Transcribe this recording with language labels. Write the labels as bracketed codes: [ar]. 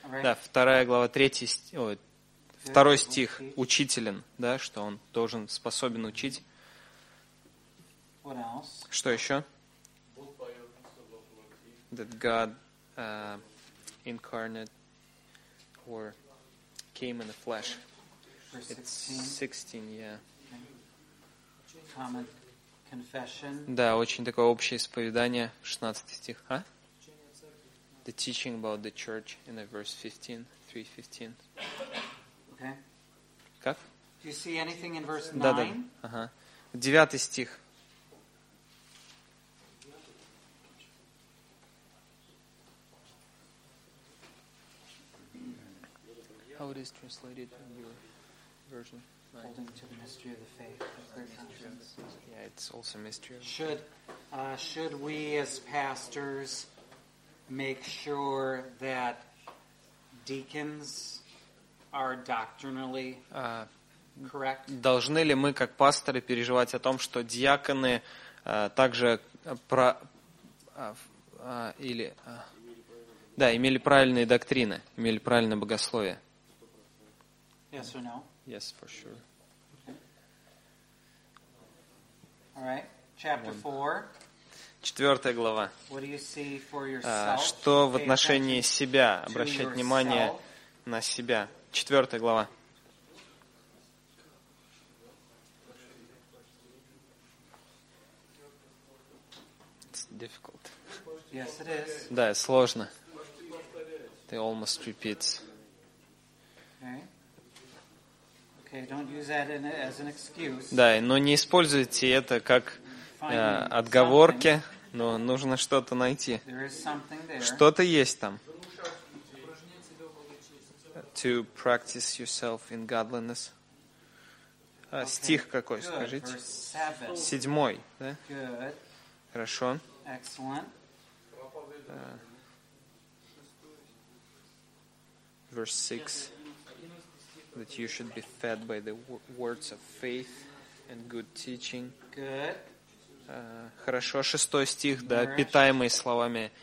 [ru] Да, вторая глава, третий стих, ой, второй стих, учителен, да, что он должен способен учить. [en] What else? [ru] Что еще? [en] That God incarnate or came in the flesh. Verse 16. It's 16, yeah. Common confession. [ru] Да, очень такое общее исповедание, 16 стих, а? [en] The teaching about the church in the verse 15, 3:15. Okay. [ru] Как? [en] Do you see anything in verse 9? [ru] Да-да. Ага. 9 стих. [en] How it is translated in your version? Holding to the mystery of the faith. Yeah, it's also mystery. Should we as pastors make sure that deacons are doctrinally correct? [ru] Должны ли мы как пасторы переживать о том, что диаконы также про или да имели правильные доктрины, имели правильное богословие? [en] Yes or no? Yes, for sure. Alright, chapter 4. [ru] 4 глава. [en] What do you see for yourself? [ru] Что в отношении себя, обращать внимание на себя. 4 глава. [en] It's difficult. Yes, it is. [ru] Да, это сложно. [en] It almost repeats. Okay, don't use that in, as an excuse. [ru] Да, но не используйте это как отговорки, но нужно что-то найти. Что-то есть там. [en] To practice yourself in godliness. [ru] Okay, стих какой, [en] good. [ru] Скажите? [en] Seven. [ru] Седьмой, да? [en] Good. [ru] Хорошо. [en] Excellent. Verse 6. That you should be fed by the words of faith and good teaching. Good. [ru] Хорошо, шестой стих, да, питаемый словами.